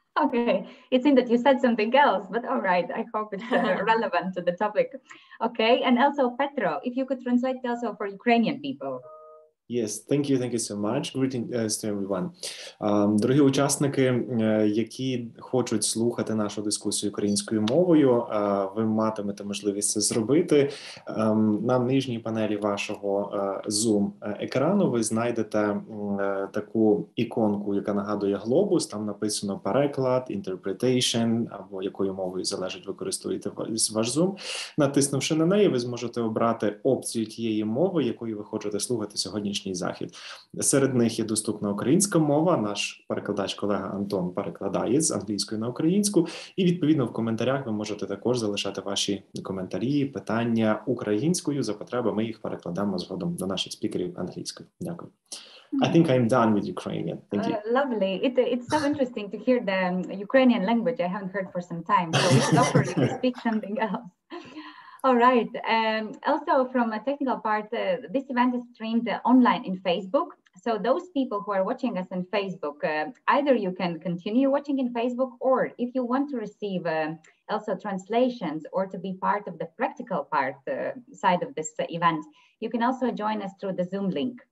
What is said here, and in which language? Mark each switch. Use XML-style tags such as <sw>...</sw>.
<en>Okay, it seems that you said something else, but all right, I hope it's relevant to the topic. Okay, and also Petro, if you could translate also for Ukrainian people. Yes, thank you so much. Greetings to everyone.</en> <uk>Дорогі учасники, які хочуть слухати нашу дискусію українською мовою, ви матимете можливість це зробити. На нижній панелі вашого Zoom-екрану ви знайдете таку іконку, яка нагадує глобус. Там написано переклад, interpretation, або якою мовою залежить, використовуєте ваш Zoom. Натиснувши на неї, ви зможете обрати опцію тієї мови, якою ви хочете слухати сьогоднішній захід. Серед них є доступна українська мова, наш перекладач-колега Антон перекладає з англійської на українську, і відповідно в коментарях ви можете також залишати ваші коментарі, питання українською, за потреби ми їх перекладемо згодом до наших спікерів англійською. Дякую.</uk> <en>I think I'm done with Ukrainian. Thank you. Lovely. It's so interesting to hear the Ukrainian language. I haven't heard for some time, so we should offer you to speak something else. All right. Also, from a technical part, this event is streamed online in Facebook. So those people who are watching us on Facebook, either you can continue watching in Facebook, or if you want to receive also translations or to be part of the practical part side of this event, you can also join us through the Zoom link.</en>